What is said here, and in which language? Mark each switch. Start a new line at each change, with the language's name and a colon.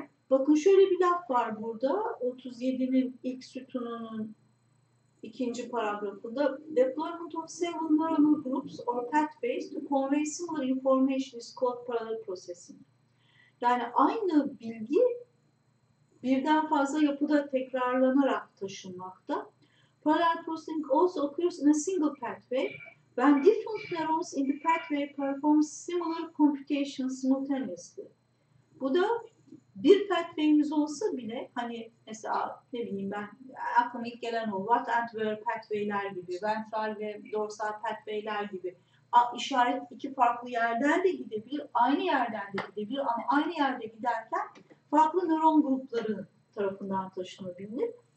Turkish: Bakın şöyle bir laf var burada, 37'nin ilk sütununun ikinci paragrafında.
English: Deployment of several neural groups or pathways to convey similar information is called parallel processing.
Turkish: Yani aynı bilgi birden fazla yapıda tekrarlanarak taşınmakta.
English: Parallel processing also occurs in a single pathway when different neurons in the pathway perform similar computations simultaneously.
Turkish: Bu da bir pathway'imiz olsa bile, hani mesela ne bileyim ben, aklıma ilk gelen o what and where pathway'ler gibi, ventral ve dorsal pathway'ler gibi, işaret iki farklı yerden de gidebilir, aynı yerden de gidebilir ama aynı yerde giderken farklı nöron grupları tarafından taşınabilir.